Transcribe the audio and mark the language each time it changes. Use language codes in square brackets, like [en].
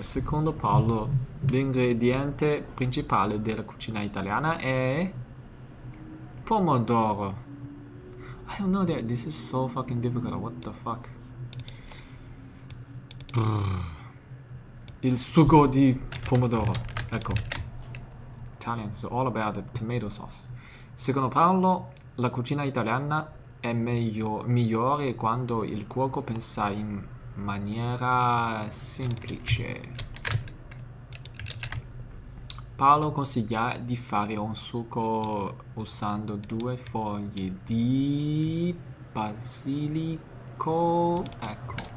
[it] Secondo Paolo, l'ingrediente principale della cucina italiana è pomodoro. [en] I don't know that. This is so fucking difficult. What the fuck? [it] Il sugo di pomodoro. Ecco. [en] Italians are all about the tomato sauce. [it] Secondo Paolo, la cucina italiana è migliore quando il cuoco pensa in maniera semplice. Paolo consiglia di fare un succo usando 2 foglie di basilico. Ecco.